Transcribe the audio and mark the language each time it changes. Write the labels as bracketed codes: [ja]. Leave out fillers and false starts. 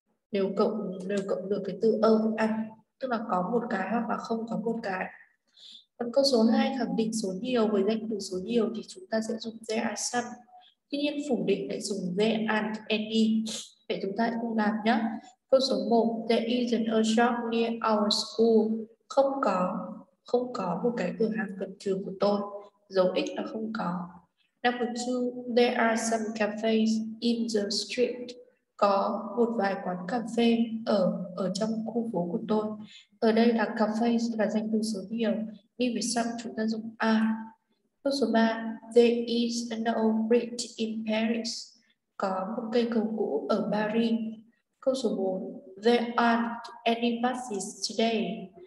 [vi] Đều cộng được cái từ a với an. Tức là có một cái hoặc là không có một cái. Còn câu số 2 khẳng định số nhiều với danh từ số nhiều thì chúng ta sẽ dùng [en] there are some. [vi] Tuy nhiên phủ định lại dùng [en] there aren't any. [vi] Để chúng ta cùng làm nhá. Câu số 1, [en] there isn't a shop near our school. [vi] Không có một cái cửa hàng gần trường của tôi. Dấu x là không có. [en] Number 2, there are some cafes in the street. [vi] Có một vài quán cà phê ở ở trong khu phố của tôi. Ở đây là cafes là danh từ số nhiều. Đi với some chúng ta dùng are. Câu số 3, [en] there is no bridge in Paris. [vi] Có một cây cầu cũ ở Paris. Câu số 4, [en] there aren't any buses today.